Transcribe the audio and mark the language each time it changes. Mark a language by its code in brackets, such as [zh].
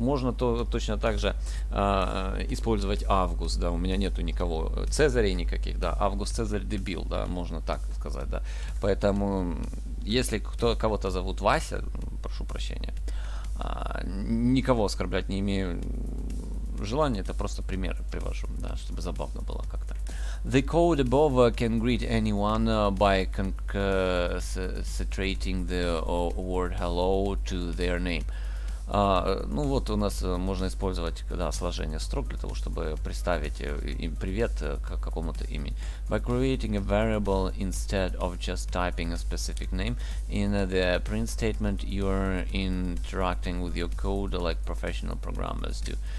[ru] Можно то точно так же использовать Август, да, у меня нету никого Цезарей никаких, да, Август Цезарь дебил, да, можно так сказать, да. Поэтому, если кого-то зовут Вася, прошу прощения, никого оскорблять не имею желания, это просто пример привожу, да, чтобы забавно было как-то. [en] The code above can greet anyone by concatenating the word hello to their name. [ru] Ну вот у нас можно использовать, да, сложение строк для того, чтобы представить им привет к какому-то имени. [en] By creating a variable instead of just typing a specific name in the print statement, you're interacting with your code like professional programmers do.